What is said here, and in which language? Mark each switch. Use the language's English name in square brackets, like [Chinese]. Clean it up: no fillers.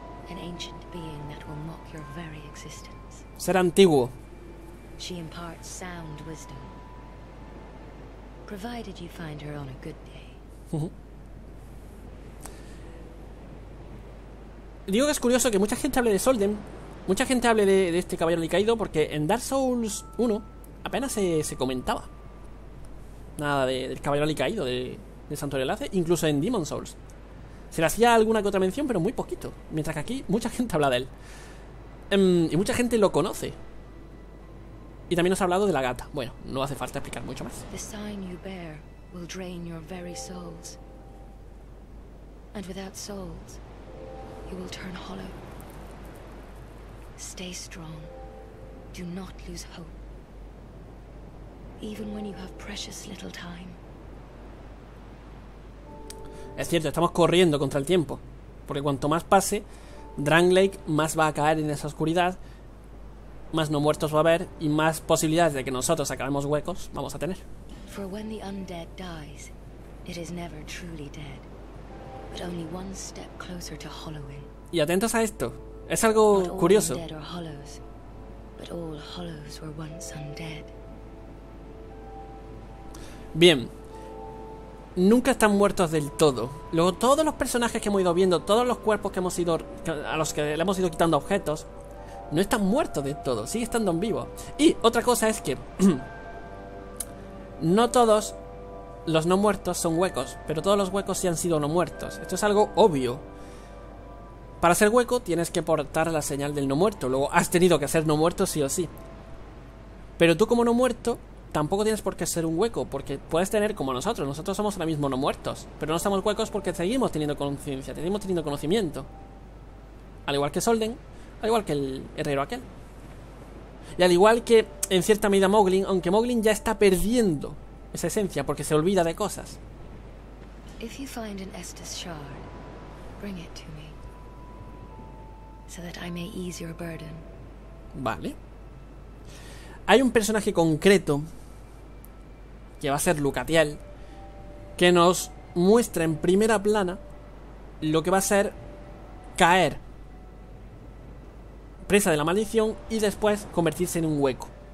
[English] An ancient being that will mock your very existence. [Spanish] Ser antiguo. [English] She imparts sound wisdom. Provided you find her on a good day. [Spanish] Digo que es curioso que mucha gente hable de Solden, mucha gente hable de este caballero decaído, porque en Dark Souls 1 apenas se comentaba nada del caballero decaído de Santuario Enlace, incluso en Demon's Souls. Se le hacía alguna que otra mención, pero muy poquito. Mientras que aquí, mucha gente habla de él. Y mucha gente lo conoce. Y también nos ha hablado de la gata. Bueno, no hace falta explicar mucho más. El signo que llevas va a drenar tus propias souls. Y sin souls, te vas a tornar hollow. Stay strong. Do not lose hope. [English] Even when you have precious little time. [Spanish] Es cierto, estamos corriendo contra el tiempo. Porque cuanto más pase, Dranglake más va a caer en esa oscuridad, más no muertos va a haber y más posibilidades de que nosotros acabemos huecos vamos a tener. [English] For when the undead dies, it is never truly dead, but only one step closer to hollowing. [Spanish] Y atentos a esto, es algo curioso. [English] Not all undead are hollows, but all hollows were once undead. [Spanish] Bien. nunca están muertos del todo. Luego, todos los personajes que hemos ido viendo, todos los cuerpos que hemos ido, a los que le hemos ido quitando objetos, no están muertos del todo, sigue estando en vivo. Y otra cosa es que no todos los no muertos son huecos, pero todos los huecos sí han sido no muertos. Esto es algo obvio. Para ser hueco tienes que portar la señal del no muerto. Luego has tenido que ser no muerto sí o sí. Pero tú como no muerto tampoco tienes por qué ser un hueco, porque puedes tener como nosotros. Nosotros somos ahora mismo no muertos, pero no estamos huecos porque seguimos teniendo conciencia, seguimos teniendo conocimiento. Al igual que Solden, al igual que el herrero aquel. Y al igual que en cierta medida Mowgli, aunque Mowgli ya está perdiendo esa esencia porque se olvida de cosas. [English] If you find an Estus shard, bring it to me, so that I may ease your burden. [Spanish] Vale. Hay un personaje concreto que va a ser Lucatiel, que nos muestra en primera plana lo que va a ser caer presa de la maldición y después convertirse en un hueco.